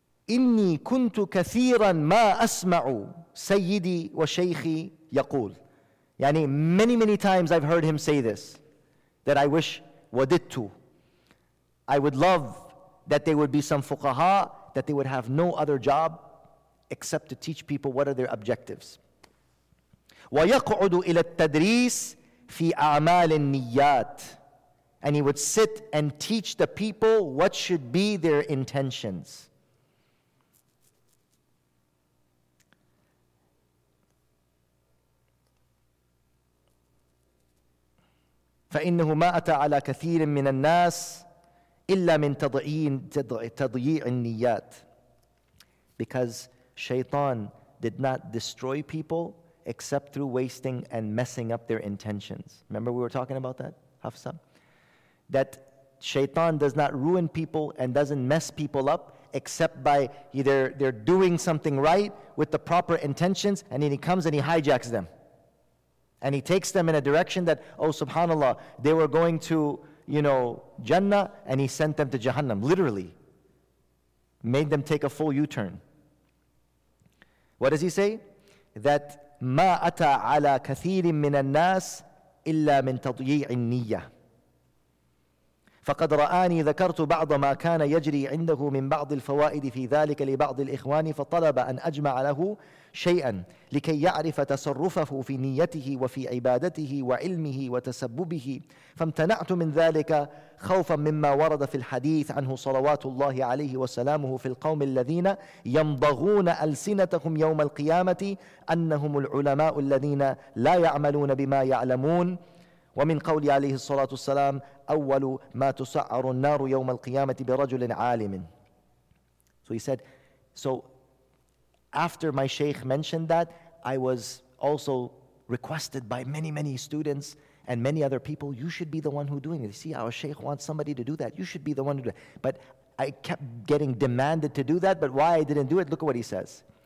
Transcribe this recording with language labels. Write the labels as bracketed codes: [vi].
[ar] إني كنت كثيرا ما أسمع سيدي وشيخي يقول. [en] يعني many times I've heard him say this, that I wish وددتو. I would love that they would be some فقهاء, that they would have no other job except to teach people what are their objectives. [ar] ويقعد إلى التدريس في أعمال النيات. [en] And he would sit and teach the people what should be their intentions. [ar] فإنه ما أتى على كثير من الناس إلا من تضييع النيات. [en] Because Shaytan did not destroy people except through wasting and messing up their intentions. Remember we were talking about that, Hafsa? That Shaytan does not ruin people and doesn't mess people up except by either they're doing something right with the proper intentions, and then he comes and he hijacks them. And he takes them in a direction that, oh, subhanAllah, they were going to, you know, Jannah, and he sent them to Jahannam, literally. Made them take a full U-turn. What does he say? That, [ar] مَا أَتَى عَلَى كَثِيرٍ مِّنَ النَّاسِ إِلَّا مِنْ تَضْيِيعِ النِّيَّةِ فَقَدْ رَآنِي ذَكَرْتُ بَعْضَ مَا كَانَ يَجْرِي عِنْدَهُ مِنْ بَعْضِ الْفَوَائِدِ فِي ذَلِكَ لِبَعْضِ الْإِخْوَانِ فَطَلَبَ أَنْ أَجْمَعَ لَهُ شيئا لكي يعرف تصرفه في نيته وفي عبادته وعلمه وتسببه فامتنعت من ذلك خوفا مما ورد في الحديث عنه صلوات الله عليه وسلامه في القوم الذين يمضغون ألسنتهم يوم القيامة أنهم العلماء الذين لا يعملون بما يعلمون ومن قول عليه الصلاة والسلام أول ما تسعر النار يوم القيامة برجل عالم. [en] So he said, so after my sheikh mentioned that, I was also requested by many students and many other people, you should be the one who doing it. You see, our sheikh wants somebody to do that. You should be the one who do it. But I kept getting demanded to do that. But why I didn't do it, look at what he says.